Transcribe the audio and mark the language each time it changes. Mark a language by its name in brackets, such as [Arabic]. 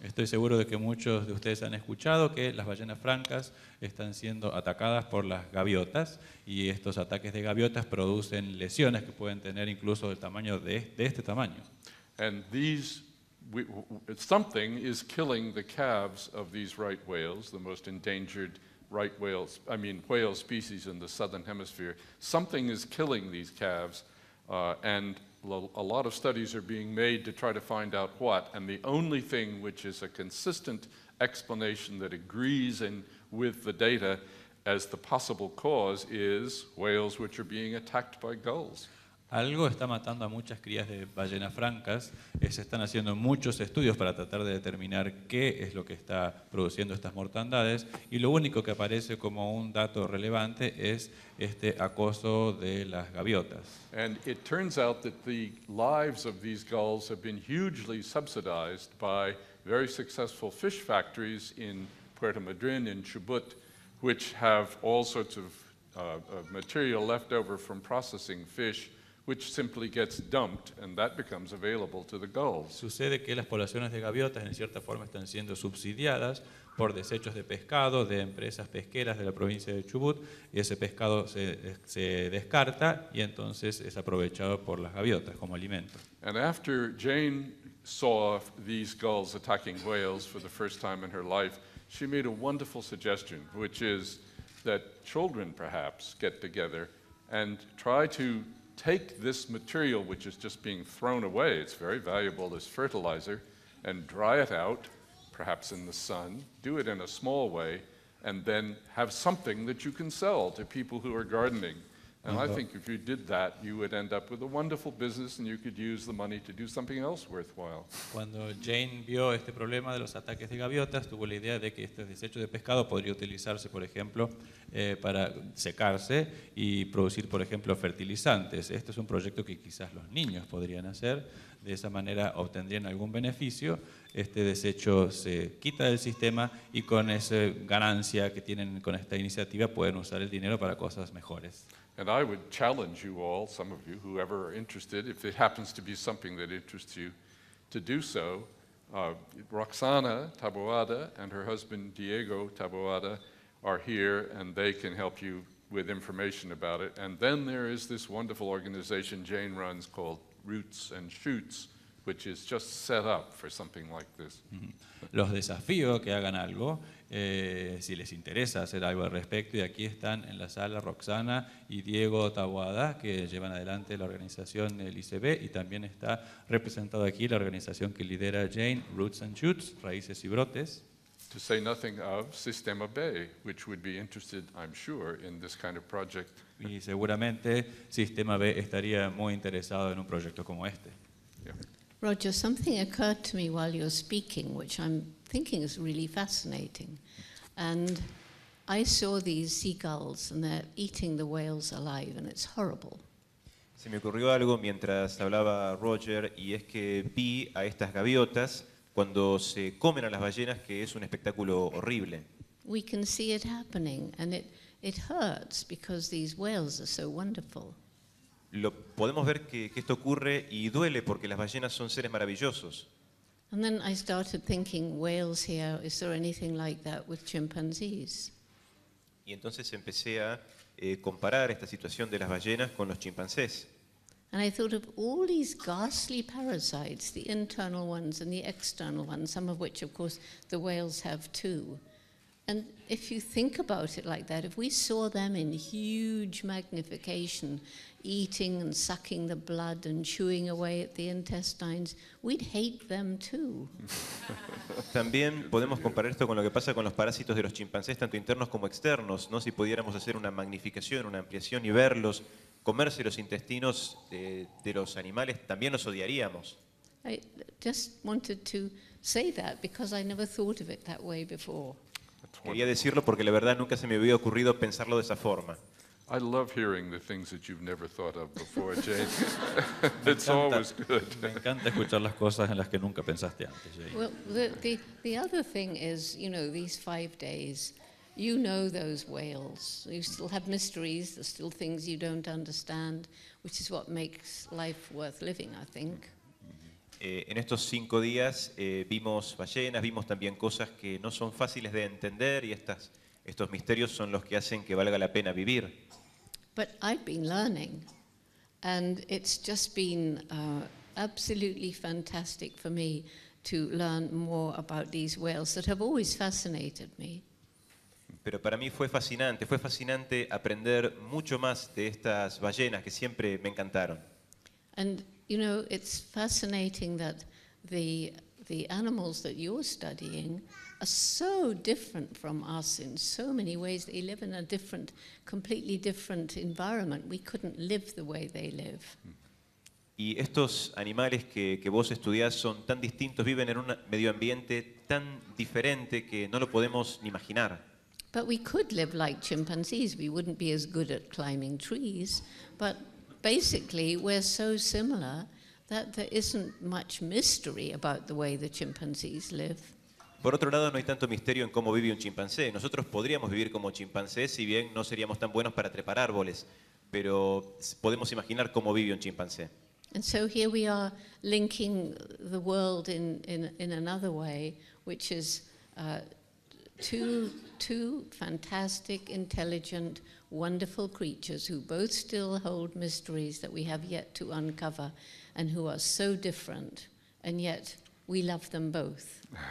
[Spanish] Estoy seguro de que muchos de ustedes han escuchado que las ballenas francas están siendo atacadas por las gaviotas, y estos ataques de gaviotas producen lesiones que pueden tener incluso del tamaño de este tamaño. [English] And these something is killing the calves of these right whales, the most endangered right whales, I mean whale species in the southern hemisphere. Something is killing these calves, and a lot of studies are being made to try to find out what, and the only thing which is a consistent explanation that agrees in with the data as the possible cause is whales which are being attacked by gulls. [Spanish] Algo está matando a muchas crías de ballenas francas. Se están haciendo muchos estudios para tratar de determinar qué es lo que está produciendo estas mortandades, y lo único que aparece como un dato relevante es este acoso de las gaviotas. [English] And it turns out that the lives of these gulls have been hugely subsidized by very successful fish factories in Puerto Madryn and Chubut, which have all sorts of material left over from processing fish, which simply gets dumped, and that becomes available to the gulls. [Spanish] Sucede que las poblaciones de gaviotas, en cierta forma, están siendo subsidiadas por desechos de pescado de empresas pesqueras de la provincia de Chubut, y ese pescado se descarta y entonces es aprovechado por las gaviotas como alimento. [English] And after Jane saw these gulls attacking whales for the first time in her life, she made a wonderful suggestion, which is that children perhaps get together and try to take this material which is just being thrown away, it's very valuable as fertilizer, and dry it out, perhaps in the sun, do it in a small way, and then have something that you can sell to people who are gardening. And I think if you did that, you would end up with a wonderful business and you could use the money to do something else worthwhile. [Spanish] Cuando Jane vio este problema de los ataques de gaviotas, tuvo la idea de que este desecho de pescado podría utilizarse, por ejemplo, para secarse y producir, por ejemplo, fertilizantes. Este es un proyecto que quizás los niños podrían hacer. De esa manera obtendrían algún beneficio. Este desecho se quita del sistema y con esa ganancia que tienen con esta iniciativa pueden usar el dinero para cosas mejores. [English] And I would challenge you all, some of you, whoever are interested, if it happens to be something that interests you, to do so. Roxana Taboada and her husband Diego Taboada are here, and they can help you with information about it. And then there is this wonderful organization Jane runs called Roots and Shoots, which is just set up for something like this. [Spanish] Los desafío que hagan algo si les interesa hacer algo al respecto. Y aquí están en la sala Roxana y Diego Tawada, que llevan adelante la organización del ICB, y también está representado aquí la organización que lidera Jane, Roots and Shoots, Raíces y Brotes. [English] To say nothing of Sistema Bay, which would be interested, I'm sure, in this kind of project. [Spanish] Y seguramente Sistema Bay estaría muy interesado en un proyecto como este. [English] Yeah. Roger, something occurred to me while you're speaking, which I'm thinking is really fascinating. And I saw these seagulls, and they're eating the whales alive, and it's horrible. [Spanish] Se me ocurrió algo mientras hablaba Roger, y es que vi a estas gaviotas cuando se comen a las ballenas, que es un espectáculo horrible. [English] We can see it happening, and it hurts because these whales are so wonderful. [Spanish] Lo podemos ver que esto ocurre y duele porque las ballenas son seres maravillosos. [English] And then I started thinking, whales here, is there anything like that with chimpanzees? [Spanish] Y entonces empecé a comparar esta situación de las ballenas con los chimpancés. [English] And I thought of all these ghastly parasites, the internal ones and the external ones, some of which, of course, the whales have too. And if you think about it like that, if we saw them in huge magnification, eating and sucking the blood and chewing away at the intestines, we'd hate them too. [Spanish] También podemos comparar esto con lo que pasa con los parásitos de los chimpancés, tanto internos como externos, ¿no? Si pudiéramos hacer una magnificación, una ampliación y verlos, comerse los intestinos de los animales, también los odiaríamos. [English] I just wanted to say that because I never thought of it that way before. [Spanish] Quería decirlo porque la verdad nunca se me había ocurrido pensarlo de esa forma. [English] I love hearing the things that you've never thought of before, Jane. It's always good. [Spanish] Me encanta escuchar las cosas en las que nunca pensaste antes, Jane. [English] Well, the other thing is, you know, these 5 days. You know those whales. You still have mysteries. There's still things you don't understand, which is what makes life worth living, I think. [Spanish] En estos 5 días vimos ballenas, vimos también cosas que no son fáciles de entender, y estos misterios son los que hacen que valga la pena vivir. [English] But I've been learning, and it's just been absolutely fantastic for me to learn more about these whales that have always fascinated me. [Spanish] Pero para mí fue fascinante aprender mucho más de estas ballenas que siempre me encantaron. [English] And you know, it's fascinating that the animals that you're studying are so different from us in so many ways. They live in a different, completely different environment. We couldn't live the way they live. [Spanish] Y estos animales que vos estudiás son tan distintos, viven en un medio ambiente tan diferente que no lo podemos ni imaginar. [English] But we could live like chimpanzees. We wouldn't be as good at climbing trees. But basically, we're so similar that there isn't much mystery about the way the chimpanzees live. [Spanish] Por otro lado, no hay tanto misterio en cómo vive un chimpancé. Nosotros podríamos vivir como chimpancés, si bien no seríamos tan buenos para trepar árboles, pero podemos imaginar cómo vive un chimpancé. [English] And so here we are linking the world in another way, which is two fantastic, intelligent, wonderful creatures who both still hold mysteries that we have yet to uncover and who are so different, and yet we love them both.